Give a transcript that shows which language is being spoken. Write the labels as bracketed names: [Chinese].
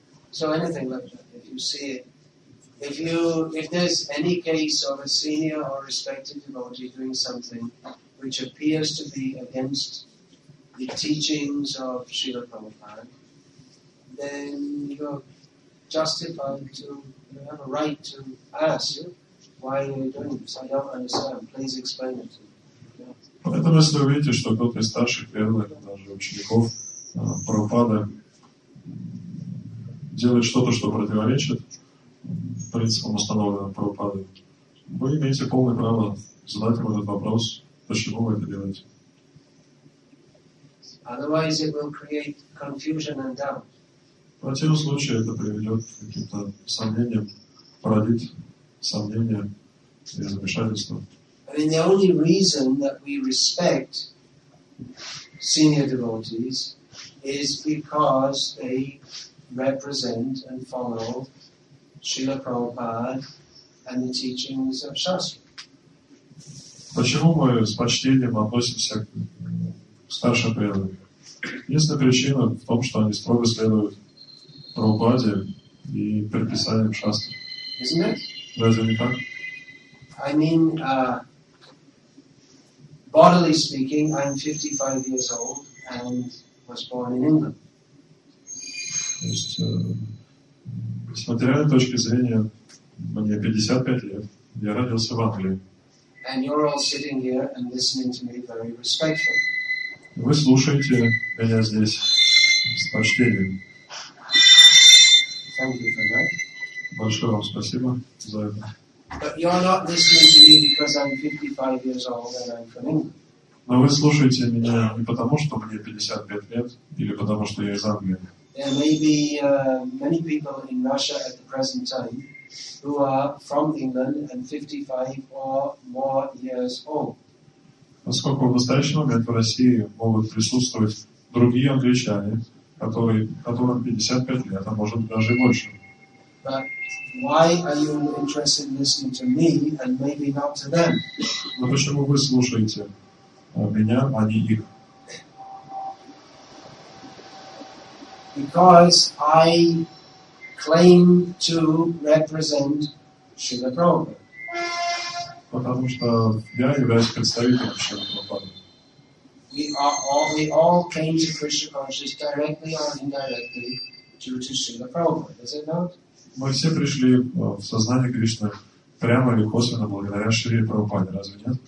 [English] So anything like that, if you see it. If there's any case of a senior or respected devotee doing something which appears to be against the teachings of Srila Prabhupada, then you're justified to, you have a right to ask, why are you doing this? I don't understand. Please explain it to me. [Russian] Поэтому если вы видите, что кто-то из старших преданных, даже учеников Прабхупады, делает что-то, что противоречит принципом установленного Прабхупады, вы имеете полное право задать ему этот вопрос, почему вы это делаете. [English] Otherwise it will create confusion and doubt. [Russian] В противном случае это приведет к каким-то сомнениям, породит сомнения и замешательство. [English] I mean, the only reason that we respect senior devotees is because they represent and follow Srila Prabhupada and the teachings of Shastra. [Russian] Почему мы с почтением относимся к старшим преданным? Единственная причина в том, что они строго следуют Прабхупаде и предписаниям Шастры. [English] Isn't it? [Russian] Разве не так? [English] I mean, bodily speaking, I'm 55 years old and was born in England. [Russian] То есть, с материальной точки зрения, мне 55 лет, я родился в Англии. [English] And you're all sitting here and listening to me very respectfully. [Russian] Вы слушаете меня здесь с почтением. [English] Thank you for that. [Russian] Большое вам спасибо за это. [English] But you're not listening to me because I'm 55 years old and I'm from England. [Russian] Но вы слушаете меня не потому, что мне 55 лет, или потому, что я из Англии. [English] There may be many people in Russia at the present time who are from England and 55 or more years old. [Russian] Поскольку в настоящий момент в России могут присутствовать другие англичане, которым 55 лет, а может даже больше. [English] Why are you interested in listening to me and maybe not to them? [Russian] Но почему вы слушаете меня, а не их? [English] Because I claim to represent Srila Prabhupada. [Russian] Потому что я являюсь представителем Шрилы Прабхупады. [English] We all came to Krishna consciousness directly or indirectly due to Srila Prabhupada, is it not? [Russian] Мы все пришли в сознание Кришны прямо или косвенно благодаря Шриле Прабхупаде, разве нет?